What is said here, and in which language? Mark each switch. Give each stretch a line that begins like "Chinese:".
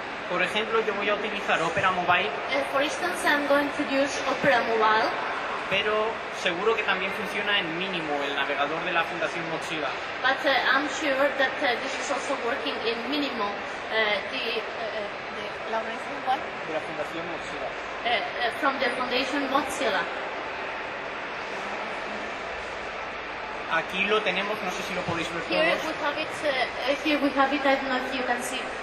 Spanish: Por ejemplo, yo voy a utilizar Opera Mobile.
English: For instance, I'm going to use Opera Mobile.
Spanish: Pero seguro que también funciona en Minimo, el navegador de la Fundación Mochiva.
English: But I'm sure that this is also working in Minimo, the
Spanish: Fundación Mochiva.
English: From the Fundación Mochiva.
Spanish: Aquí lo tenemos, no sé si lo podéis ver
English: here
Spanish: todos.
English: We have it, here we have it, I don't know if you can see.